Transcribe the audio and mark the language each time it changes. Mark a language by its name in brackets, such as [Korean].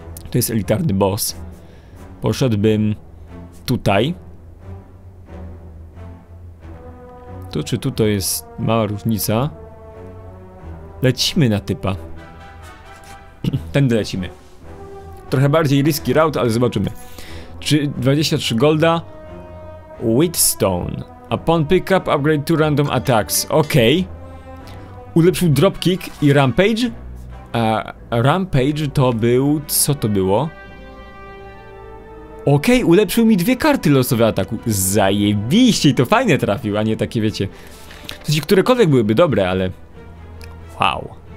[Polish] To jest elitarny boss. Poszedłbym tutaj. Tu czy tu to jest mała różnica. Lecimy na typa. Tędy lecimy. Trochę bardziej [English] risky route, [Polish] ale zobaczymy. 23 golda. Whetstone. [English] Upon pickup, upgrade to random attacks. [Polish] Okej. Ulepszył dropkick i rampage? Rampage to był... Co to było? Okej, ulepszył mi dwie karty losowe ataku. Zajebiście, to fajnie trafił, a nie takie, wiecie... W sensie, którekolwiek byłyby dobre, ale... Wow.